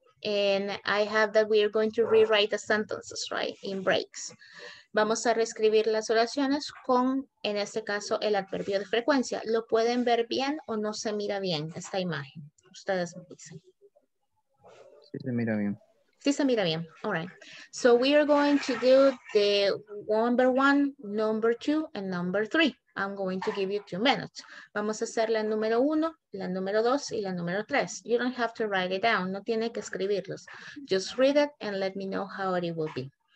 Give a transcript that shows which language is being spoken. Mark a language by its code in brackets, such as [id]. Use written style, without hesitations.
[en] And I have that we are going to rewrite the sentences, right? In breaks. [es] Vamos a reescribir las oraciones con, en este caso, el adverbio de frecuencia. ¿Lo pueden ver bien o no se mira bien esta imagen? Ustedes me dicen. Sí se mira bien. Sí se mira bien. [en] All right. So we are going to do the number one, number two, and number three. I'm going to give you 2 minutes. [es] Vamos a hacer la número uno, la número dos, y la número tres. [en] You don't have to write it down. [es] No tiene que escribirlos. [en] Just read it and let me know how it will be.